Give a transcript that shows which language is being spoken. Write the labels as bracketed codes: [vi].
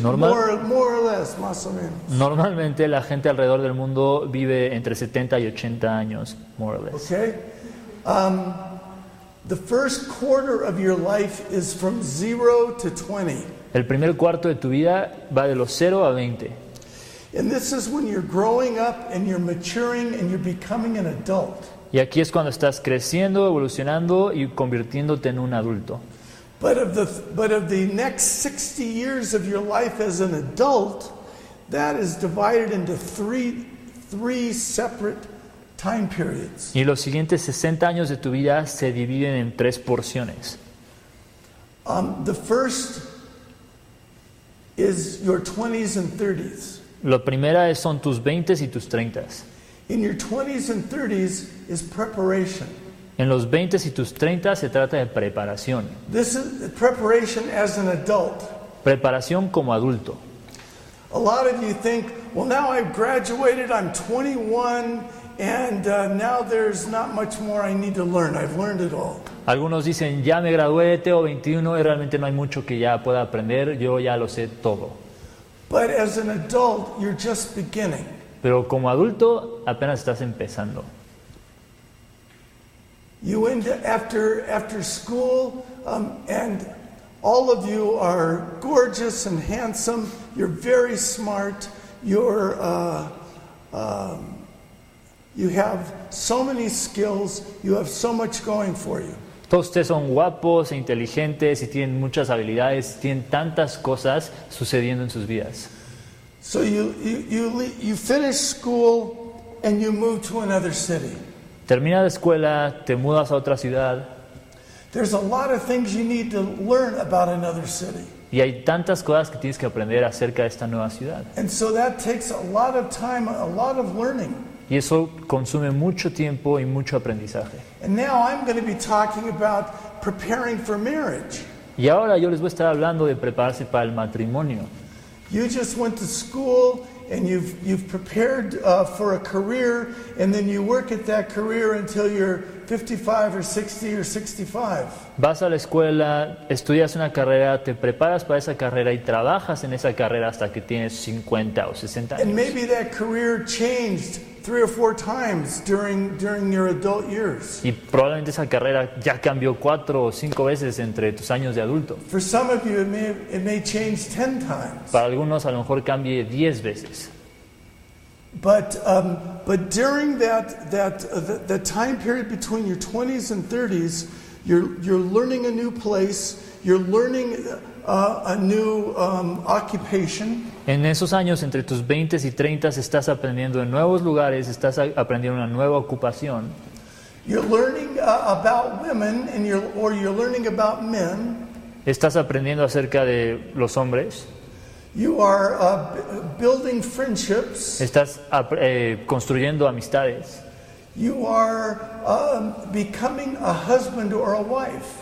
[en] More or less, [es] más o menos. Normalmente la gente alrededor del mundo vive entre 70 y 80 años, [en] more or less. Okay. The first quarter of your life is from 0 to 20. [es] El primer cuarto de tu vida va de los 0 a 20. [en] And this is when you're growing up and you're maturing and you're becoming an adult. [es] Y aquí es cuando estás creciendo, evolucionando y convirtiéndote en un adulto. [en] But of the next 60 years of your life as an adult, that is divided into three separate time periods. [es] Y los siguientes 60 años de tu vida se dividen en tres porciones. [en] The first is your 20s and 30s. [es] La primera son tus 20s y tus 30s. [en] In your 20s and 30s is preparation. [es] En los 20 y tus 30 se trata de preparación. [en] This is preparation as an adult. [es] Preparación como adulto. [en] A lot of you think, well, now I've graduated, I'm 21, and now there's not much more I need to learn. I've learned it all. [es] Algunos dicen, ya me gradué, tengo 21, y realmente no hay mucho que ya pueda aprender, yo ya lo sé todo. [en] But as an adult, you're just beginning. [es] Pero como adulto, apenas estás empezando. [en] You end after school, and all of you are gorgeous and handsome. You're very smart. You have so many skills. You have so much going for you. [es] Todos ustedes son guapos e inteligentes y tienen muchas habilidades. Tienen tantas cosas sucediendo en sus vidas. [en] So you finish school and you move to another city. [es] Termina la escuela, te mudas a otra ciudad. [en] There's a lot of things you need to learn about another city. [es] Y hay tantas cosas que tienes que aprender acerca de esta nueva ciudad. [en] And so that takes a lot of time, a lot of learning. [es] Y eso consume mucho tiempo y mucho aprendizaje. [en] And now I'm going to be talking about preparing for marriage. [es] Y ahora yo les voy a estar hablando de prepararse para el matrimonio. [en] You just went to school and you've prepared for a career, and then you work at that career until you're 55 or 60 or 65. [es] Vas a la escuela, estudias una carrera, te preparas para esa carrera y trabajas en esa carrera hasta que tienes 50 o 60 años. [en] And maybe that career changed 3 or 4 times during your adult years. [es] Y probablemente esa carrera ya cambió 4 o 5 veces entre tus años de adulto. [en] For some of you, it may change 10 times. [es] Para algunos, a lo mejor cambie 10 veces. [en] But during that time period between your 20s and 30s, you're learning a new place. You're learning a new occupation. [es] En esos años, entre tus 20 y 30, estás aprendiendo en nuevos lugares, estás aprendiendo una nueva ocupación. [en] You're learning about women and you're learning about men. [es] Estás aprendiendo acerca de los hombres. [en] You are building friendships. [es] Estás construyendo amistades. [en] You are becoming a husband or a wife.